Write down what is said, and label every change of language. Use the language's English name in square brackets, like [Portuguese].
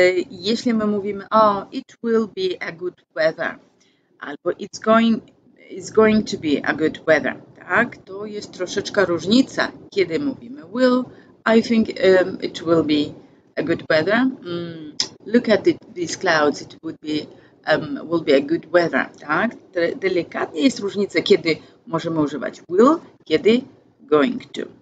[Polish] Jeśli my mówimy, [English] it will be a good weather, albo it's going to be a good weather, tak? [Polish] To jest troszeczkę różnica, kiedy mówimy [English] will, I think it will be a good weather. Look at these clouds, it will be a good weather, tak? [Polish] Delikatnie jest różnica, kiedy możemy używać will, kiedy going to.